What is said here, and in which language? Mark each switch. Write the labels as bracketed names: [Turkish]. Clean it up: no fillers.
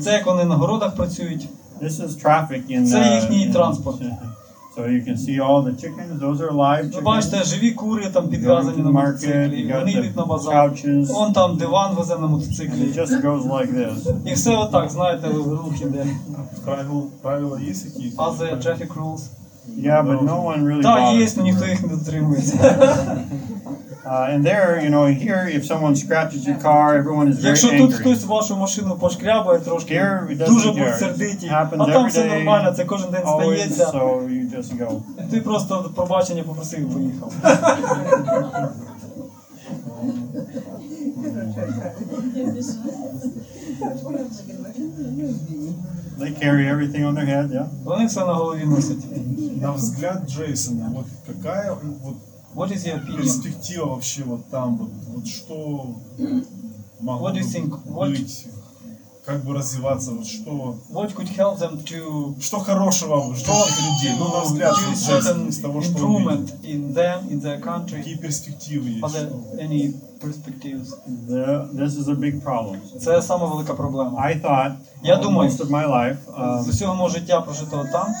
[Ukrainian] Це як вони на городах працюють. [English] This is traffic in [Ukrainian] the. Це їхній транспорт. [English] So you can see all the chickens, those are live chickens. [Ukrainian] Ви бачите, живі кури там підв'язані на мотоциклі. Вони йдуть на базар. [English] Couches. [Ukrainian] Вон там диван везе на мотоциклі. [English] It just goes like this. [Ukrainian] І все отак, знаєте, в рух іде. Правила є якісь? [English] As the traffic rules. Yeah, but no one really [Ukrainian] Так, є, але ніхто їх не дотримується. [English] And there, you know, here if someone scratches your car, everyone is very angry. [Ukrainian] Якщо тут хтось вашу машину пошкрябає трошки, дуже будуть сердиті. А там все нормально, це кожен день стається. [English] So you just go. [Ukrainian] Ти просто пробачення попросив і поїхав. [English] They carry everything on their head, yeah? [Ukrainian] Вони все на голові носять. [Russian] На взгляд Джейсона, от какая вот. [English] What is your opinion? [Russian] Перспектива вообще вот там вот. Вот что могло [English] what do you think? [Russian] Быть? [English] What? [Russian] Как бы развиваться? Вот что? [English] What could help them to? [Russian] Что хорошего ждет людей? Ну, на взгляд, вот, честно, из того, что он видит. [English] In them, in their country. [Russian] Какие перспективы есть? [English] Are there any perspectives? This is a big problem. [Ukrainian] Це сама велика проблема. [English] I thought, [Ukrainian] я думаю, [English] most of my life, [Ukrainian] з усього мого життя прожитого там,